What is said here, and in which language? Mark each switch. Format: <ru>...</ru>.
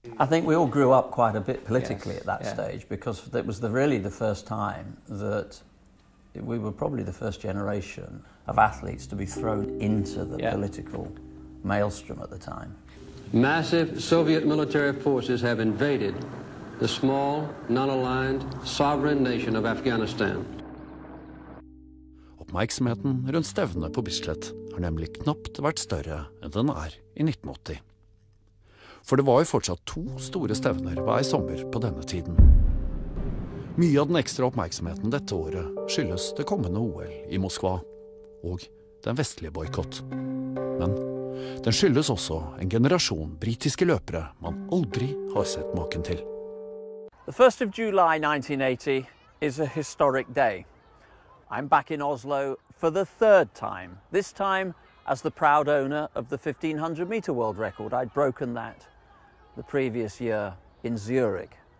<en>I think we all grew up quite a bit politically yes. at that yeah. stage, because it was really the first time that we were probably the first generation of athletes to be thrown into the yeah. political maelstrom at the time. Massive Soviet military forces have invaded the small, non-aligned, sovereign nation of Afghanistan.</en> <no>Oppmerksomheten rundt stevnet på Bislett har nemlig knapt vært større enn den I 1980. For det var jo fortsatt 2 store stevner hver sommer på denne tiden. Mye av den ekstra oppmerksomheten dette året skyldes det kommende OL I Moskva og den vestlige boykott. Men den skyldes også en generasjon britiske løpere man aldri har sett maken til.</no> <en>The 1st of July 1980 is a historic day. I'm back in Oslo for the third time. This time as the proud owner of the 1500 meter world record. I'd broken that the previous year in Zurich.</en>